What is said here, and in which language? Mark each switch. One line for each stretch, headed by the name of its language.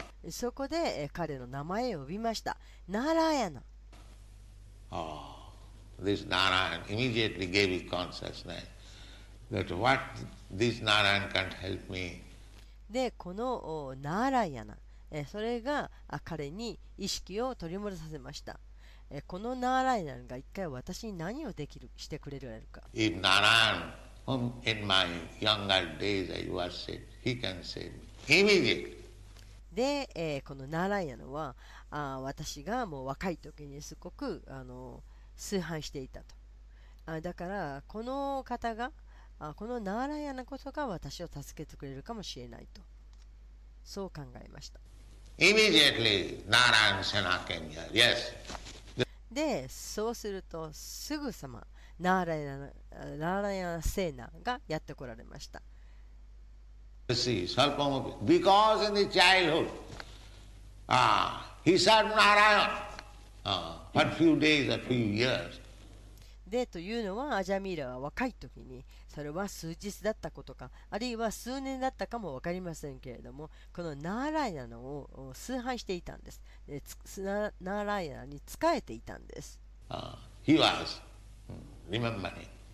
Japanese: そこで彼の名前を呼びました。ナーラヤン、
English: This Narayan immediately gave his consciousness that what this Narayan can't help me.
Japanese: で、このナーラヤンそれが彼に意識を取り戻させました。このナーライナが一回私に何をできるしてくれるか。
English: If Narayan, whom in my younger days I worshipped, he can save me immediately.
Japanese: で、このナーライナは私がもう若い時にすごく崇拝していたと。だからこの方が、このナーライナこそが私を助けてくれるかもしれないと、そう考えました。
English: Immediately, Narayan Sena came here. Yes.
Japanese: で、そうするとすぐさまナーラヤナセナがやってこられました。
English: Because in the childhood, he saw Narayan for few days, a few years.
Japanese: で、というのはアジャミーラは若い時に、それは数日だったことか、あるいは数年だったかも分かりませんけれども、このナーライナを崇拝していたんです。で、ナーライナに仕えていたんです。
English: He was remembering.